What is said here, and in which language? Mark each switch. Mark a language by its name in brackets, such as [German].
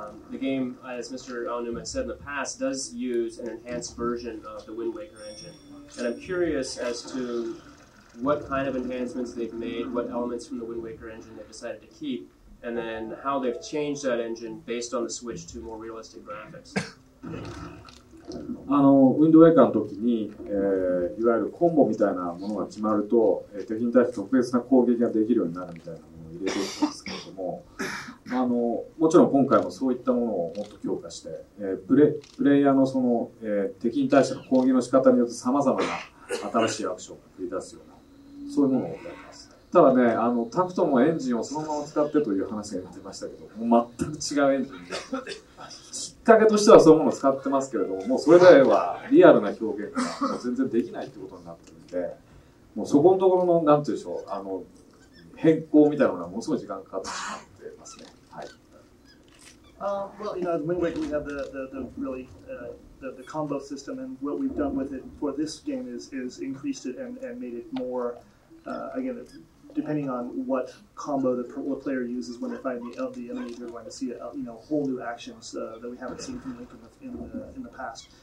[English] The game, as Mr. Aonuma said in the past, does use an enhanced version of the Wind Waker engine. And I'm curious as to what kind of enhancements they've made, what elements from the Wind Waker engine they've decided to keep, and then how they've changed that engine based on the switch to more realistic graphics. [Japanese] あのウィンドウェイカーの時に、いわゆるコンボみたいなものが決まると、敵に対して特別な攻撃ができるようになるみたいなものを入れていたんですけれども、あのもちろん今回もそういったものをもっと強化して、プレイヤーのその、敵に対しての攻撃の仕方によってさまざまな新しいアクションを繰り出すようなそういうものをやります。ただね、あのタクトもエンジンをそのまま使ってという話が出てましたけど、もう全く違うエンジンで。きっかけとしてはそういうものを使ってますけれども、もうそれではリアルな表現がもう全然できないってことになってるんで、もうそこのところの、なんていうでしょう、あの変更みたいなものはものすごい時間かかってしまってますね。はい。 [English] Well, you know, the Wind Waker, we have the really, the combo system, and what we've done with it for this game is increased it and made it more, again, depending on what combo the player uses when they fight the enemy, they're going to see whole new actions that we haven't seen from Link in the past.